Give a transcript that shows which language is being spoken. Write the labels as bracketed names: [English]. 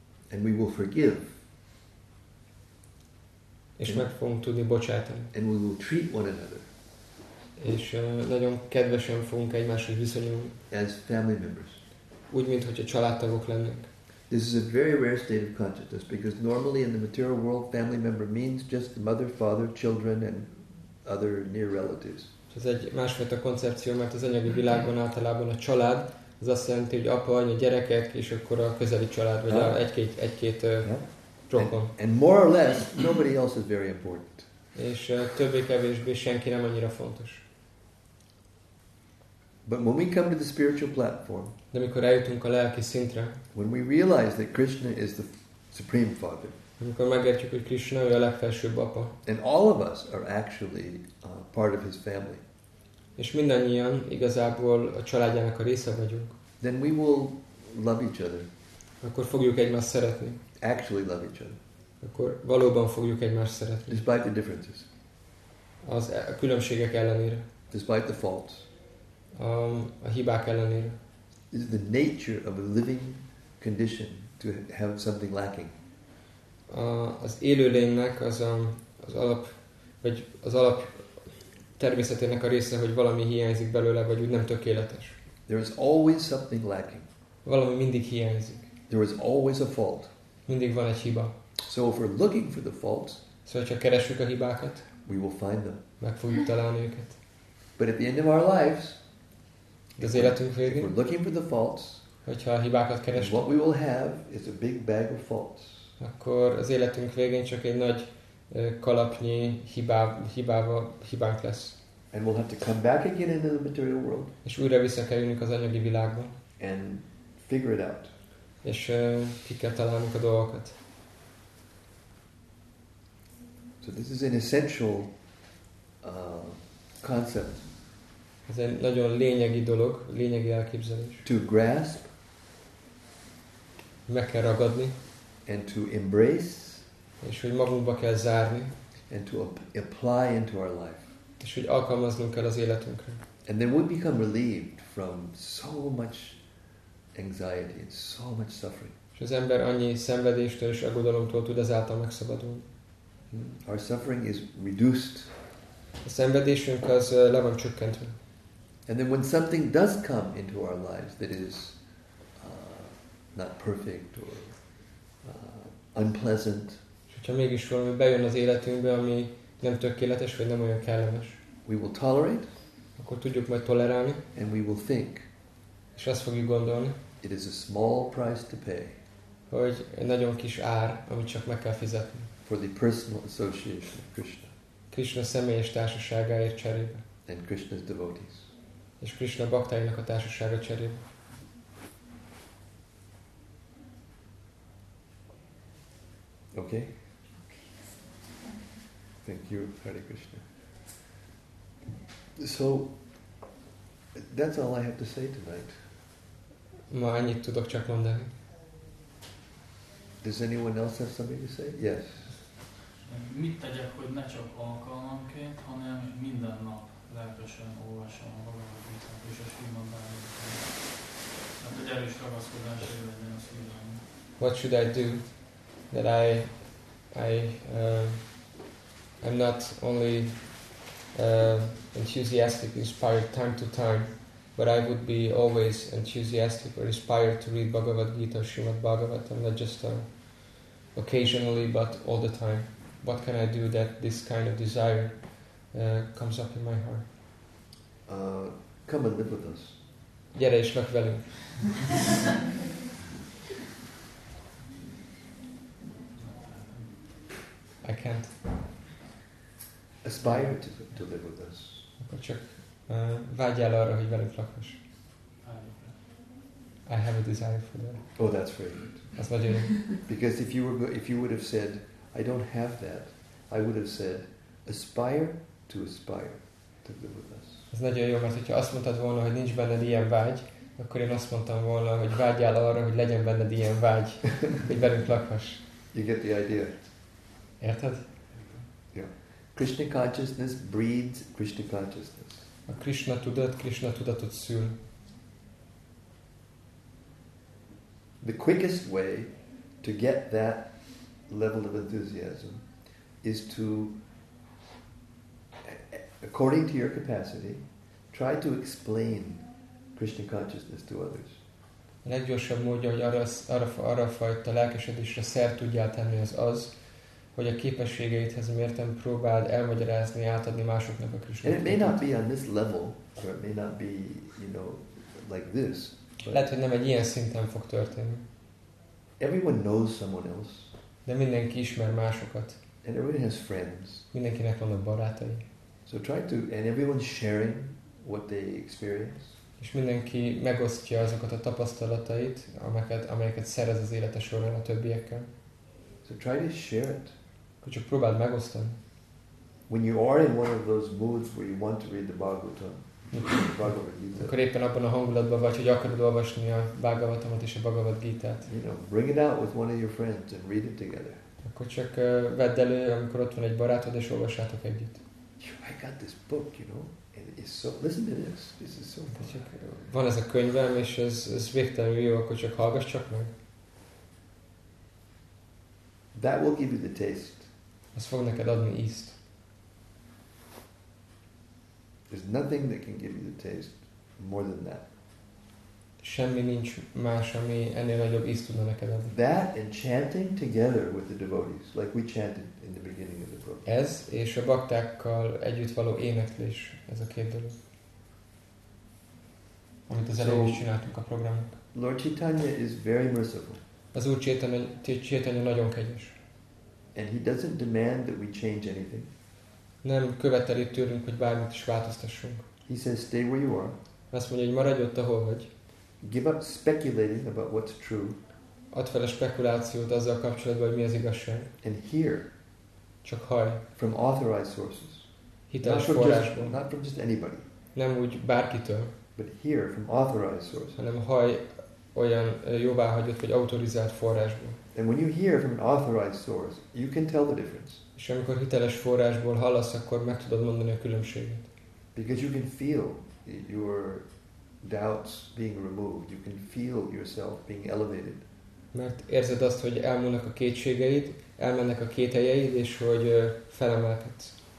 [English] And we will forgive. [Hungarian] És meg fogunk tudni bocsátani. [English] And we will treat one another. [Hungarian] És nagyon kedvesen fogunk egymáshoz viszonyulni. [English] As family members. [Hungarian] Úgy, mint hogyha családtagok lennénk. [English] This is a very rare state of consciousness because normally in the material world, family member means just the mother, father, children and other near relatives. [Hungarian] Ez egy másfajta koncepció, mert az anyagi világban általában a család az azt jelenti, hogy apa, anya, gyerekek és akkor a közeli család vagy egy-két rokon. [English] And more or less, nobody else is very important. [Hungarian] És többé-kevésbé senki nem annyira fontos. [English] But when we come to the spiritual platform, [Hungarian] de amikor eljutunk a lelki szintre, [English] when we realize that Krishna is the supreme father, [Hungarian] amikor megértjük, hogy Krishna ő a legfelsőbb apa, [English] and all of us are actually part of his family, [Hungarian] és mindannyian igazából a családjának a része vagyunk, [English] then we will love each other, [Hungarian] akkor fogjuk egymást szeretni, [English] actually love each other, [Hungarian] akkor valóban fogjuk egymást szeretni, [English] despite the differences, [Hungarian] az a különbségek ellenére, [English] despite the faults, [Hungarian] a hibák ellenére. [English] It's the nature of a living condition to have something lacking. [Hungarian] Az élőlénynek az az alap vagy az alap természetének a része, hogy valami hiányzik belőle, vagy úgy nem tökéletes. [English] There is always something lacking. [Hungarian] Valami mindig hiányzik. [English] There is always a fault. [Hungarian] Mindig van egy hiba. [English] So if we're looking for the faults, [Hungarian] szóval csak keressük a hibákat, [English] we will find them. [Hungarian] Meg fogjuk találni őket. [English] But at the end of our lives, [Hungarian] az életünk végén, [English] if we're looking for the faults, [Hungarian] hogyha a hibákat kerestünk, [English] what we will have is a big bag of faults. [Hungarian] Akkor az életünk végén csak egy nagy kalapnyi hibánk lesz. [English] And we'll have to come back again into the material world. [Hungarian] És újra visszakerülünk az anyagi világba. [English] And figure it out. [Hungarian] És ki kell találnunk a dolgokat. [English] So this is an essential concept. [Hungarian] Ez egy nagyon lényegi dolog, lényegi elképzelés. [English] To grasp. [Hungarian] Meg kell ragadni. [English] And to embrace. [Hungarian] És hogy magunkba kell zárni. [English] And to apply into our life. [Hungarian] És hogy alkalmaznunk kell az életünkre. [English] And then we become relieved from so much anxiety and so much suffering. [Hungarian] És az ember annyi szenvedéstől és aggodalomtól tud ezáltal megszabadulni. [English] Our suffering is reduced. [Hungarian] A szenvedésünk az le van csökkentve. [English] And then when something does come into our lives that is not perfect or unpleasant, [Hungarian] hogyha mégis valami bejön az életünkbe, ami nem tökéletes vagy nem olyan kellemes, [English] we will tolerate, [Hungarian] akkor tudjuk majd tolerálni, [English] and we will think, [Hungarian] és azt fogjuk gondolni, [English] it is a small price to pay, [Hungarian] hogy egy nagyon kis ár, amit csak meg kell fizetni, [English] for the personal association of Krishna, [Hungarian] Krishna személyes társaságáért cserébe, [English] and Krishna's devotees, [Hungarian] és Krishna baktáinak a társasága cserébe. [English] Okay. Thank you, Hare Krishna. So, that's all I have to say tonight. [Hungarian] Ma annyit tudok csak mondani. [English] Does anyone else have something to say? Yes. [Hungarian] Mit tegyek, hogy ne csak alkalmanként, hanem minden nap lelkesen olvasom a valamit, és a Srimad Bhagavatam. Hát egy erős ragaszkodás legyen a szívem. [English] What should I do? That I'm not only enthusiastic, inspired time to time, but I would be always enthusiastic or inspired to read Bhagavad Gita, Srimad Bhagavatam, not just occasionally, but all the time. What can I do that this kind of desire comes up in my heart? Come and live with us. [Hungarian] Gyere és lakj velünk. [English] I can't. aspire to live with us. [Hungarian] Akkor csak vágyjál arra, hogy velünk lakhass. [English] I have a desire for that. Oh, that's great. That's what you mean. Because if you would have said, I don't have that, I would have said, aspire to live with us. [Hungarian] Ez nagyon jó, mert hogyha azt mondtad volna, hogy nincs benned ilyen vágy, akkor én azt mondtam volna, hogy vágyjál arra, hogy legyen benned ilyen vágy, hogy velünk lakhass. [English] You get the idea. [Hungarian] Érted? [English] Yeah. Krishna consciousness breeds Krishna consciousness. [Hungarian] A Krishna tudatot szül. [English] The quickest way to get that level of enthusiasm is to, according to your capacity, try to explain Krishna consciousness to others. [Hungarian] A leggyorsabb módja, hogy arra fajta lelkesedésre szert tudjál tenni, az az, hogy a képességeidhez mérten próbáld elmagyarázni, átadni másoknak a Krishna tudatot. [English] It may not be on this level, or it may not be, you know, like this. [Hungarian] Lehet, hogy nem egy ilyen szinten fog történni. [English] Everyone knows someone else. [Hungarian] De mindenki ismer másokat. [English] And everyone has friends. [Hungarian] Mindenkinek vannak barátai. [English] So try to, and everyone's sharing what they experience. [Hungarian] És mindenki megosztja azokat a tapasztalatait, amelyeket szerez az élete során a többiekkel. [English] So try to share it. [Hungarian] Csak próbáld megosztani. [English] When you are in one of those moods where you want to read the Bhagavatam, [Hungarian] akkor éppen abban a hangulatban vagy, hogy akarod olvasni a Bhagavatamot és a Bhagavad Gita-t. [English] You know, bring it out with one of your friends and read it together. [Hungarian] Akkor csak vedd elő, amikor ott van egy barátod, és olvassátok együtt. [English] I got this book, you know, and it's so, listen to this, this is so fun. [Hungarian] Van ez a könyvem, és ez végtelenül jó, akkor csak hallgass csak meg. [English] That will give you the taste. [Hungarian] Az fog neked adni ízt. [English] There's nothing that can give you the taste more than that. [Hungarian] Semmi nincs más, ami ennél nagyobb ízt tudna neked adni. [English] That and chanting together with the devotees, like we chanted in the beginning of the program. [Hungarian] Ez és a baktákkal együtt való éneklés, ez a két dolog. Amit az elején is csináltunk a programnak. [English] Lord Chaitanya is very merciful. [Hungarian] Az Úr Chaitanya nagyon kegyes. [English] And he doesn't demand that we change anything. [Hungarian] Nem követeli tőlünk, hogy bármit is változtassunk. [English] He says, stay where you are. [Hungarian] Azt mondja, hogy maradj ott, ahol vagy. [English] Give up speculating about what's true. [Hungarian] Add fel a spekulációt azzal kapcsolatban, hogy mi az igazság. [English] And hear. [Hungarian] Csak hallj. [English] From authorized sources. [Hungarian] Hiteles forrásból. [English] Not from just anybody. [Hungarian] Nem úgy bárkitől. [English] But hear from authorized sources. [Hungarian] Hanem hallj olyan jóváhagyott vagy autorizált forrásból. [English] And when you hear from an authorized source, you can tell the difference. [Hungarian] És amikor hiteles forrásból hallasz, akkor meg tudod mondani a különbséget. [English] Because you can feel your doubts being removed. You can feel yourself being elevated. [Hungarian] Mert érzed azt, hogy elmúlnak a kétségeid, elmennek a kételjeid, és hogy felemelkedsz.